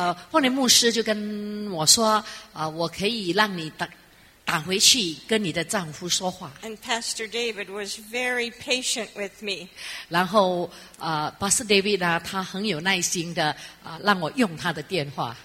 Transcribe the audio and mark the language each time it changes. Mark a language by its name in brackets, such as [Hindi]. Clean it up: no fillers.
[Chinese] 后来牧师就跟我说我可以让你 打回去跟你的丈夫说话。 [English] And Pastor David was very patient with me. [Chinese] 然后Pastor David 呢他很有耐心的让我用他的电话。